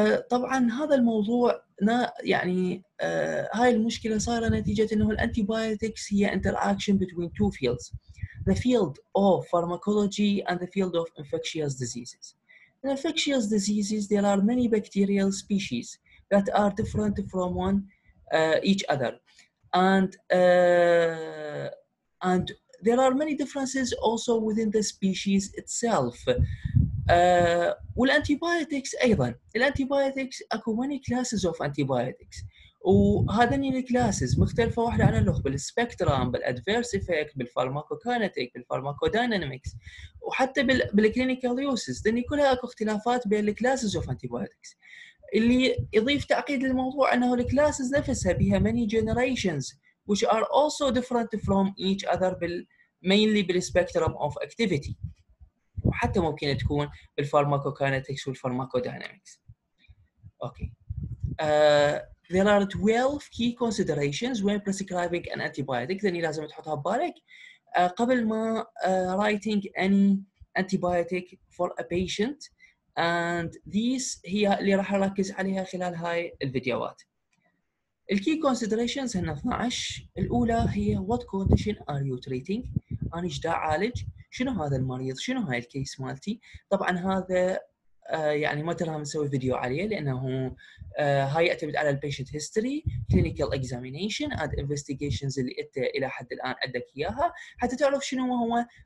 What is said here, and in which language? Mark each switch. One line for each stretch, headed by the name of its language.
Arabic: طبعا هذا الموضوع يعني هاي المشكلة صار نتيجة انه الانتيبايوتكس هي
English: interaction between two fields, the field of pharmacology and the field of infectious diseases. In infectious diseases, there are many bacterial species that are different from one each other. And there are many differences also within the species itself.
Arabic: والانتيبايوتكس ايضا, الانتيبايوتكس اكو
English: many classes of antibiotics,
Arabic: وهذني الكلاسز مختلفه واحده عن الاخرى بالسبكترام, بالادفيرس افكت, بالفارماكوكاينتيك, بالفارماكودينامكس, وحتى بالكلينيكال يوسز. ذني كلها اكو اختلافات بين الكلاسز اوف انتيبايوتكس, اللي يضيف تعقيد للموضوع انه الكلاسز نفسها بها
English: many generations which are also different from each other mainly
Arabic: بالسبكترام اوف اكتيفيتي, وحتى ممكن تكون بالفارماكوكاينتكس والفارماكودينامكس.
English: Okay, there are 12 key considerations when prescribing an antibiotic.
Arabic: ذني لازم تحطها ببالك قبل ما
English: writing any antibiotic for a patient,
Arabic: and these هي اللي راح اركز عليها خلال هاي الفيديوهات. ال key considerations هن 12. الاولى هي
English: what condition are you treating,
Arabic: انا ايش دا عالج, شنو هذا المريض, شنو هاي الكيس مالتي. طبعا هذا يعني ما ترى نسوي فيديو عليه لانه هاي يعتمد على البيشنت هيستوري, كلينيكال اكزامينيشن, اند انفستيجيشنز اللي انت الى حد الان عندك اياها حتى تعرف شنو هو.